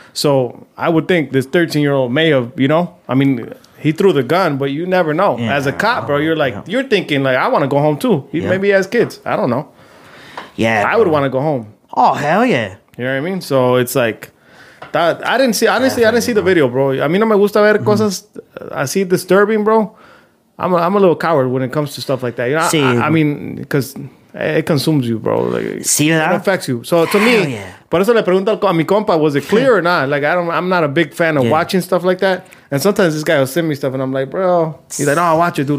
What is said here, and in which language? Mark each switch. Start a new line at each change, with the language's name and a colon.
English: So I would think this 13-year-old may have, you know, I mean, he threw the gun, but you never know. Yeah, as a cop, bro, you're like, you're thinking, like, I want to go home, too. Maybe he has kids. I don't know. Yeah. I would want to go home. Oh, hell yeah. You know what I mean? So it's like, that. I didn't see, honestly, I didn't see the video, bro.
Spanish: A mí no me gusta ver cosas así
English: disturbing,
Spanish: bro.
English: I'm a little coward when it comes to stuff like that. You know, I mean, because it consumes you, bro. Like, see that? It affects you. So to me,
Spanish: por eso le pregunto a mi compa,
English: was it clear or not? Like, I'm not a big fan of watching stuff like that. And sometimes this guy will send me stuff and I'm like, bro, he's like, no, I'll watch it, dude.